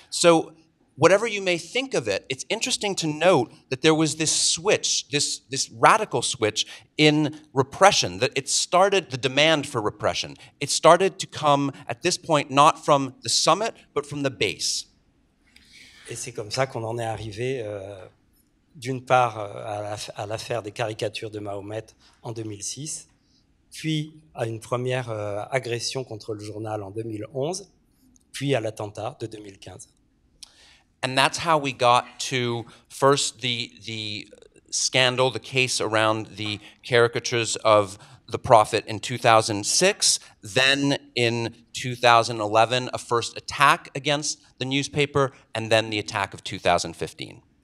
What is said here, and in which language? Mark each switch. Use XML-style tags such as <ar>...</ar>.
<en>So whatever you may think of it, it's interesting to note that there was this switch, this radical switch in repression, that it started, the demand for repression. It started to come at this point not from the summit, but from the base.</en> <fr>Et c'est comme ça qu'on en est arrivé, d'une part, à l'affaire des caricatures de Mahomet en 2006, puis à une première agression contre le journal en 2011, puis à l'attentat de 2015.</fr> <en>And that's how we got to first the scandal, the case around the caricatures of the Prophet in 2006, then in 2011, a first attack against the newspaper, and then the attack of 2015.</en>